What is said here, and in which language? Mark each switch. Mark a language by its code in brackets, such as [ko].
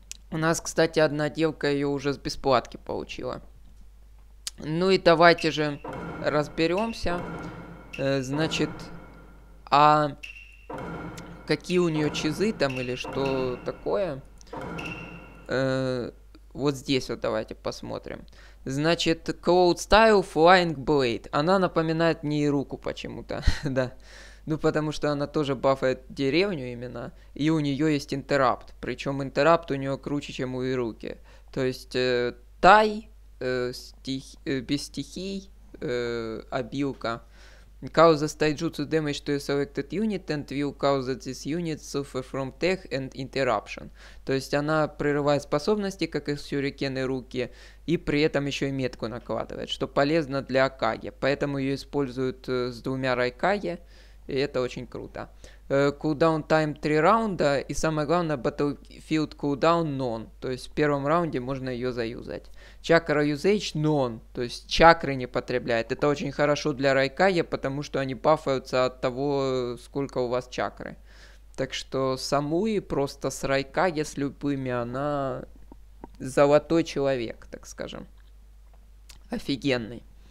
[ru] У нас, кстати, одна девка ее уже с бесплатки получила. Ну и давайте же разберемся. Значит, а какие у нее чизы там или что такое? Вот здесь вот давайте посмотрим. Значит, Cloud Style Flying Blade. Она напоминает мне Руку почему-то, да. Ну, потому что она тоже бафает деревню именно. И у нее есть интерапт. Причем интерапт у нее круче, чем у Ируки. То есть тай, без стихий, абилка. [en] Cause taijutsu damage to a selected unit and will cause that this unit suffer from tech and interruption. [ru] То есть она прерывает способности, как и сюрикены Руки, и при этом еще и метку накладывает, что полезно для Акаги. Поэтому ее используют с двумя райкаги, и это очень круто. [en] Cooldown time [ru] 3 раунда, и самое главное, [en] battlefield cooldown none. [ru] То есть в первом раунде можно ее заюзать. Чакра [en] usage none, [ru] то есть чакры не потребляет. Это очень хорошо для райкая, потому что они бафаются от того, сколько у вас чакры. Так что Самуи просто с райкая, с любыми, она золотой человек, так скажем. Офигенный.